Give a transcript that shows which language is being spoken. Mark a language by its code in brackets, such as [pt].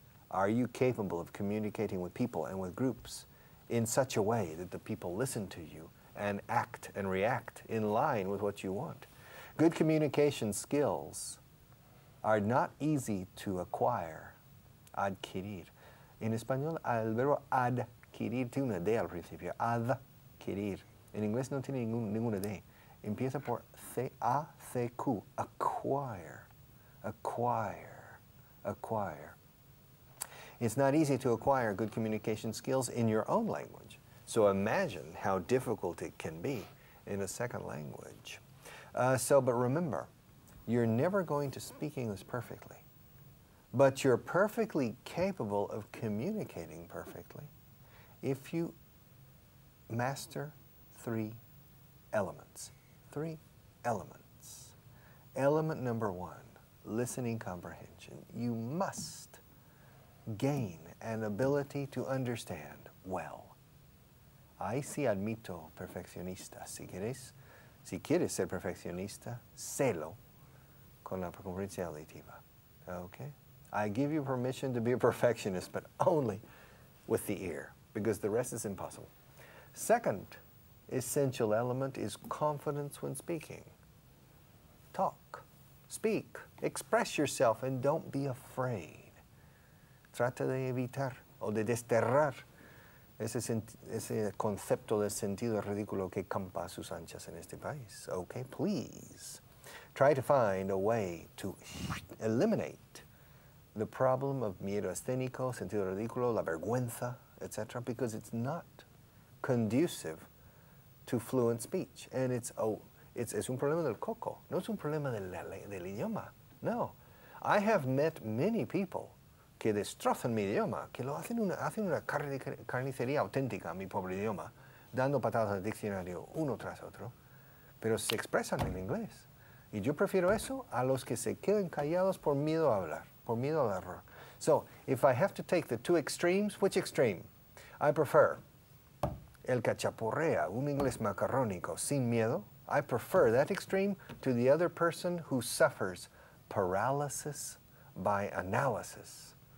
[en] Are you capable of communicating with people and with groups in such a way that the people listen to you and act and react in line with what you want? Good communication skills are not easy to acquire. [es] Adquirir. In español, el verbo adquirir tiene una D al principio. Adquirir. En inglés no tiene ninguna D. Empieza por C-A-C-Q. Acquire. [en] Acquire. It's not easy to acquire good communication skills in your own language. So imagine how difficult it can be in a second language. But remember, you're never going to speak English perfectly. But you're perfectly capable of communicating perfectly if you master three elements. Three elements. Element number one, listening comprehension. You must gain an ability to understand well. [es] Ahí sí admito perfeccionista. Si quieres ser perfeccionista, sélo con la concurrencia auditiva. [en] Okay? I give you permission to be a perfectionist, but only with the ear, because the rest is impossible. Second essential element is confidence when speaking. Talk, speak, express yourself, and don't be afraid. [es] Trata de evitar o de desterrar ese concepto de sentido ridículo que campa a sus anchas en este país. [en] Okay, please. Try to find a way to eliminate the problem of [es] miedo escénico, sentido ridículo, la vergüenza, [en] etc., because it's not conducive to fluent speech. And it's [es] un problema del coco. No es un problema del idioma. No. [en] I have met many people [es] que destrozan mi idioma, que lo hacen una carnicería auténtica a mi pobre idioma, dando patadas al diccionario uno tras otro, pero se expresan en inglés. Y yo prefiero eso a los que se quedan callados por miedo a hablar, por miedo al error. [en] So, if I have to take the two extremes, which extreme? I prefer [es] el cachapurrea, un inglés macarrónico, sin miedo. [en] I prefer that extreme to the other person who suffers paralysis by analysis.